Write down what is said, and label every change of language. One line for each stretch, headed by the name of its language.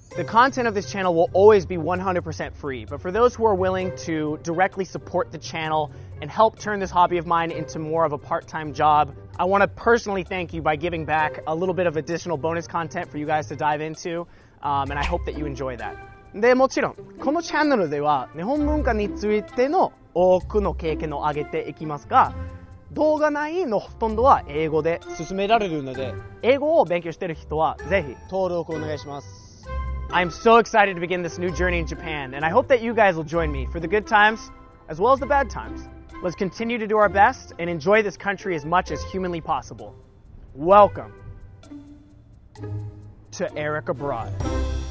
English: The content of this channel will always be 100% free, but for those who are willing to directly support the channel and help turn this hobby of mine into more of a part-time job, I want to personally thank you by giving back a little bit of additional bonus content for you guys to dive into, and I hope that you enjoy that.
Japanese: で、もちろん、このチャンネルでは日本文化についての多くの経験を上げていきますが、動画内のほとんどは英語で進められるので、英語を勉強している人はぜひ登録お願いします。
English: I'm so excited to begin this new journey in Japan, and I hope that you guys will join me for the good times as well as the bad times. Let's continue to do our best and enjoy this country as much as humanly possible. Welcome to Eric Abroad.